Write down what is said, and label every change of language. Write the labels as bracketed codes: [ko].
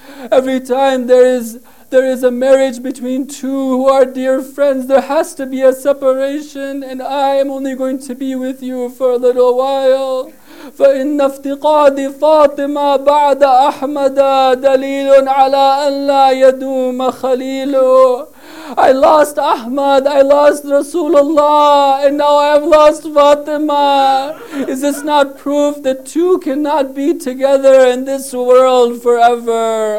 [en] Every time there is a marriage between two who are dear friends, there has to be a separation, and I am only going to be with you for a little while. [ar] فإن افتقاد فاطمة بعد أحمد دليل على أن لا يدوم خليل. [en] I lost Ahmad, I lost Rasulullah, and now I have lost Fatima. Is this not proof that two cannot be together in this world forever?